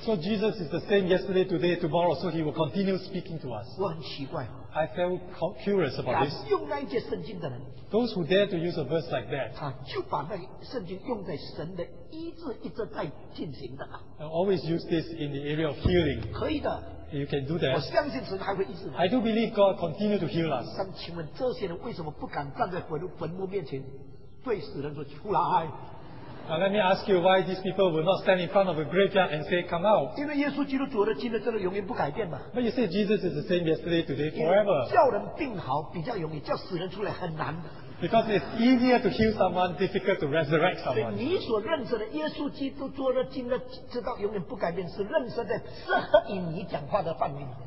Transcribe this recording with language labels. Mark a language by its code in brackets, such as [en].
[en] So Jesus is the same yesterday, today, tomorrow, so He will continue speaking to us. I felt curious about this. Those who dare to use a verse like that are always use this in the area of healing. You can do that. I do believe God continue to heal us. [zh] 请问这些人为什么不敢站在坟墓面前对死人说出来? [en] Now let me ask you why these people will not stand in front of a graveyard and say, come out. But you say Jesus is the same yesterday, today, forever. Because it's easier to heal someone, difficult to resurrect someone.